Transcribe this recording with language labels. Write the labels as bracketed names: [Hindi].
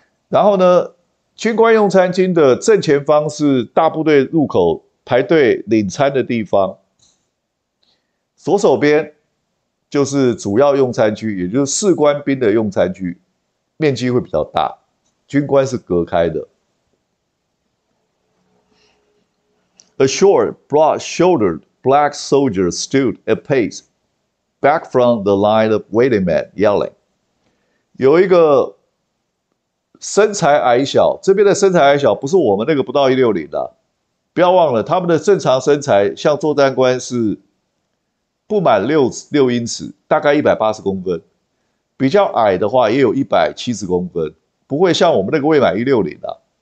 [Chinese] 然后呢，军官用餐厅的正前方是大部队入口排队领餐的地方，左手边就是主要用餐区，也就是士官兵的用餐区，面积会比较大，军官是隔开的。 [English] A short, broad-shouldered black soldier stood at pace back from the line of waiting men, yelling. [Chinese] 有一个身材矮小，这边的身材矮小不是我们那个不到160的，不要忘了他们的正常身材，像作战官是不满6英尺，大概180公分，比较矮的话也有170公分，不会像我们那个未满160的。